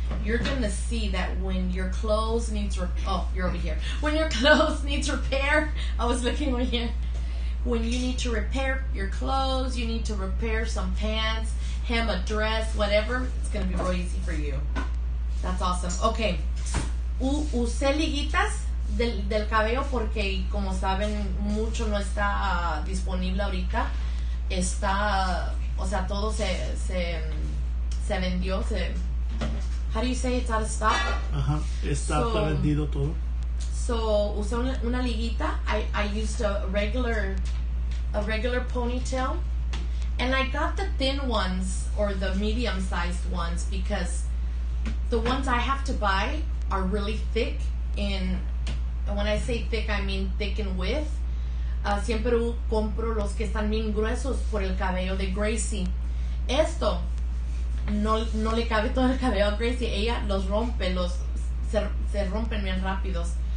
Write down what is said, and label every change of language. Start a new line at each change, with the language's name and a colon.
English: You're going to see that when your clothes needs repair. Oh, you're over here. When your clothes needs repair. I was looking over here. When you need to repair your clothes, you need to repair some pants, hem a dress, whatever, it's going to be real easy for you. That's awesome. Okay.
Spanish: Usé liguitas del cabello porque, como saben, mucho no está disponible ahorita. Está, o sea, todo se vendió.
English: How do you say it's out of stock?
Spanish: Ajá. Está vendido todo.
English: So,
Spanish: usé una liguita.
English: I used a regular ponytail. And I got the thin ones or the medium-sized ones because the ones I have to buy are really thick. And when I say thick, I mean thick in width.
Spanish: Siempre compro los que están bien gruesos por el cabello de Gracie. Esto no le cabe todo el cabello a Gracie. Ella los rompe, se rompen bien rápidos.